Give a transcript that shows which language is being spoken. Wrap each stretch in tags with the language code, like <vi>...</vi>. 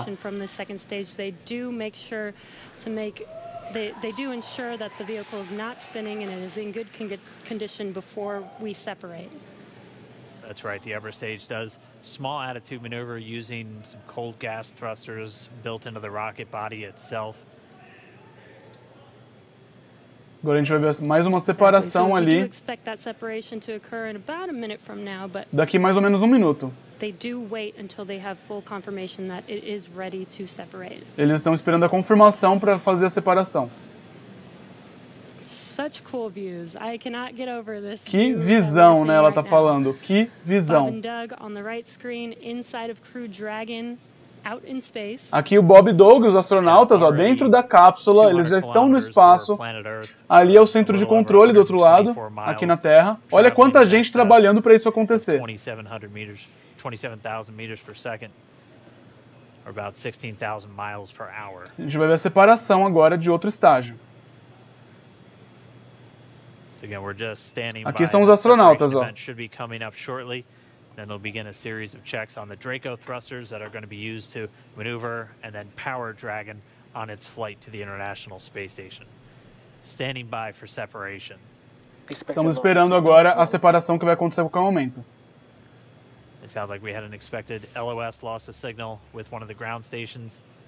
<en>Separation from the second stage, they do make sure to make they do ensure that the vehicle is not spinning and it is in good condition before we separate. That's right. The upper stage does small attitude maneuver using some cold gas thrusters built into the rocket body itself.</en> <pt>Agora a gente vai ver mais uma separação ali.</pt> <en>We expect that separation to occur in about a minute from now, but</en> <pt>daqui mais ou menos um minuto.</pt> <en>They do wait until they have full confirmation that it is ready to separate.</en> <pt>Eles estão esperando a confirmação para fazer a separação.</pt> <en>such cool views. I cannot get over this.</en> <pt>Que visão, né? Ela tá falando. Que visão.</pt> <en>Bob and Doug on the right screen, inside of Crew Dragon, out in space.</en> <pt>Aqui o Bob e Doug, os astronautas, ó, dentro da cápsula, eles já estão no espaço. Ali é o centro de controle do outro lado, aqui na Terra. Olha quanta gente trabalhando para isso acontecer.</pt> <en>27,000 meters per second. Or about 16,000 miles per hour.</en> <pt>A gente vai ver a separação agora de outro estágio.</pt> <en>Again, we're just standing</en> <pt>aqui são os astronautas, ó.</pt> <en>Should be coming up shortly. Then they'll begin a series of checks on the Draco thrusters that are going to be used to maneuver and then power Dragon on its flight to the International Space Station. Standing by for separation.</en> <pt>Estamos esperando agora a separação que vai acontecer a qualquer momento.</pt> <en>It sounds like we had an expected LOS loss of signal with one of the ground stations.</en>